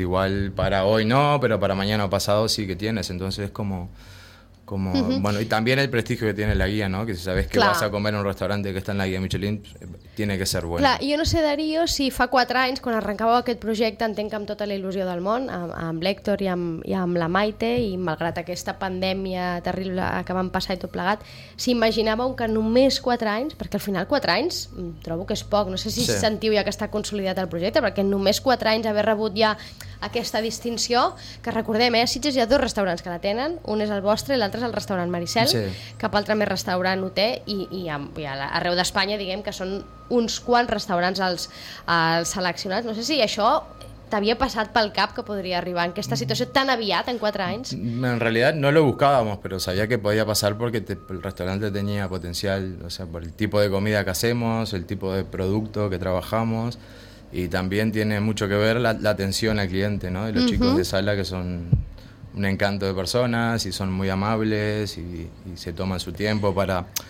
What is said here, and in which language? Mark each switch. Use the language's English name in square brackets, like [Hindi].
[Spanish] Igual para hoy no, pero para mañana o pasado sí que tienes. Entonces es como bueno, y también el prestigio que tiene la guía, ¿no? Que si sabes que vas a comer en un restaurante que está en la guía Michelin, tiene que ser bueno. [Catalan] Clar, jo no sé, Darío, si fa 4 anys, quan arrencàveu aquest projecte, entenc que amb tota la il·lusió del món, amb l'Hèctor i amb la Maite, i malgrat aquesta pandèmia terrible que vam passar i tot plegat, s'imaginàveu que només 4 anys, perquè al final 4 anys trobo que és poc, no sé si sentiu ja que està consolidat el projecte, perquè només 4 anys haver rebut ja aquesta distinció, que recordem, Sitges hi ha 2 restaurants que la tenen, un és el vostre i l'altre és el restaurant Maricel, cap altre més restaurant ho té, i arreu d'Espanya, diguem, que són uns quants restaurants els seleccionats. No sé si això t'havia passat pel cap que podria arribar en aquesta situació tan aviat, en 4 anys. En realitat [Spanish] no lo buscábamos, pero sabía que podía pasar porque el restaurante tenía potencial, o sea, por el tipo de comida que hacemos, el tipo de producto que trabajamos, y también tiene mucho que ver la atención al cliente, ¿no? De los chicos de sala, que son un encanto de personas y son muy amables y se toman su tiempo para...